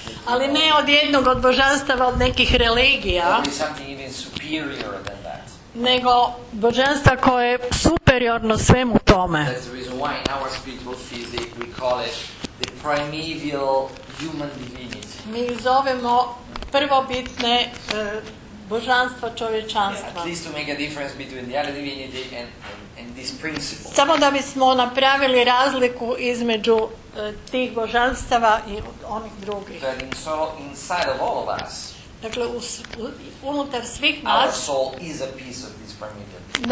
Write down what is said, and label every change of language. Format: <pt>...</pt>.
<hr>Ali ne od jednog od božanstava od nekih religija.</hr> <en>Maybe something even superior than that.</en> <hr>Nego božanstva koje je superiorno svemu tome.</hr> <en>That's the reason why in our spiritual physics we call it the primeval human divinity.</en> <hr>Mi zovemo prvobitne božanstvo čovječanstva.</hr> <en>Yeah, at least to make a difference between the other divinity and this principle.</en> <hr>Samo da bismo napravili razliku između tih božanstava i onih drugih.</hr> <en>But in so, inside of all of us,</en> <hr>dakle, unutar svih nas,</hr> <en>our soul is a piece of this primitive.</en>